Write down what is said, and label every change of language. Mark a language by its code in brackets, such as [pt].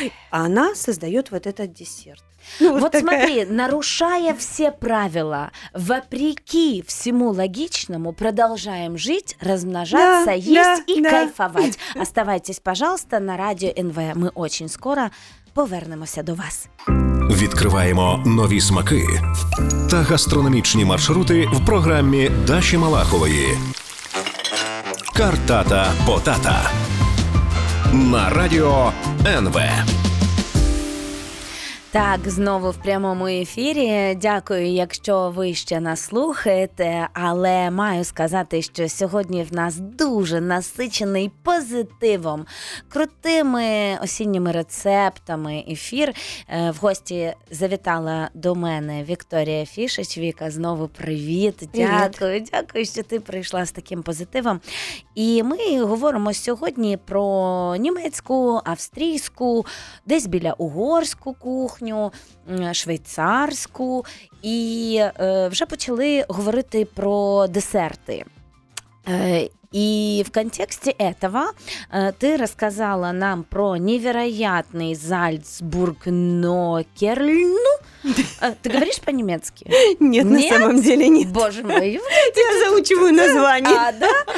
[ru] А она создает вот этот десерт. Ну, вот такая... смотри, нарушая все правила, вопреки всему логичному, продолжаем жить, размножаться, да, есть да, и да. кайфовать. Оставайтесь, пожалуйста, на радио НВ. Мы очень скоро повернемся до вас. [uk] Відкриваємо нові смаки та гастрономічні маршрути в програмі Даші Малахової. Картата-потата на радіо НВ. Так, знову в прямому ефірі. Дякую, якщо ви ще нас слухаєте. Але маю сказати, що сьогодні в нас дуже насичений позитивом, крутими осінніми рецептами ефір. В гості завітала до мене Вікторія Фішич. Віка, знову привіт. Привіт. Дякую, дякую, що ти прийшла з таким позитивом. І ми говоримо сьогодні про німецьку, австрійську, десь біля угорську кухню. Швейцарську, і вже почали говорити про десерти. [ru] И в контексте этого ты рассказала нам про невероятный Зальцбург-Нокерльн. Ты говоришь по-немецки? Нет, на самом деле нет. Боже мой. Я заучиваю название. А, да?